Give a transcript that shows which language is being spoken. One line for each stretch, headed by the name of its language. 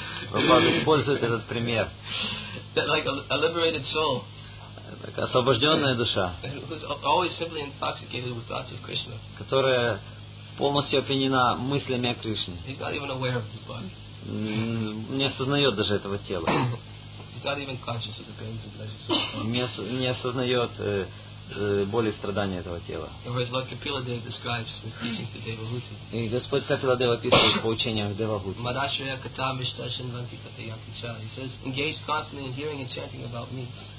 Russian: Прабхупада использует этот пример.
English: Like a liberated soul.
Russian: Освобожденная душа.
English: Who's always simply intoxicated with thoughts of Krishna.
Russian: Которая полностью опьянена мыслями о Кришне.
English: He's not even aware of his body.
Russian: Не осознает даже этого тела.
English: He's not even conscious of the pains and pleasures of the body.
Russian: Не осознает боли и страдания этого тела. И Господь Капила Дева описывает по учениям в Девагути.
English: He says, engage constantly in hearing and chanting about me.